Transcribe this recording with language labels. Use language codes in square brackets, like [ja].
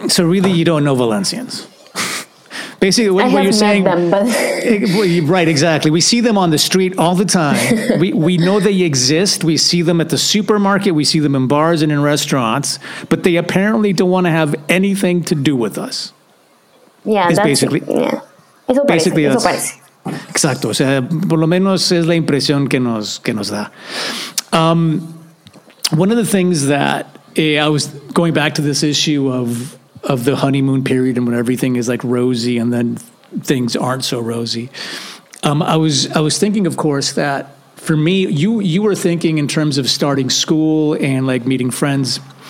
[en] So really, you don't know Valencians. Basically, what you're saying, them, but. Right, exactly. We see them on the street all the time. We know they exist. We see them at the supermarket. We see them in bars and in restaurants, but they apparently don't want to have anything to do with us. Yeah, basically. [es] Exacto. Por lo menos es la impresión que nos da. [en] One of the things that I was going back to this issue of the honeymoon period and when everything is like rosy and then things aren't so rosy. I was thinking, of course, that for me, you were thinking in terms of starting school and like meeting friends.